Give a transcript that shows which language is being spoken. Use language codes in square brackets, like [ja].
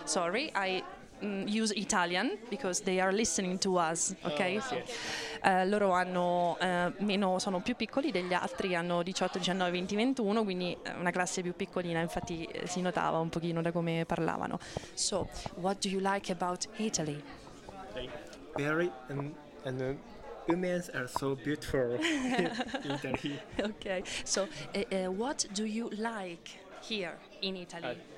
[en] Sorry, I use Italian because they are listening to us, okay? [it] Loro hanno meno, sono più piccoli degli altri, hanno 18, 19, 20, 21, quindi una classe più piccolina, infatti si notava un pochino da come parlavano. [en] So, what do you like about Italy? Very and women are so beautiful in Italy. Okay. So, what do you like here in Italy?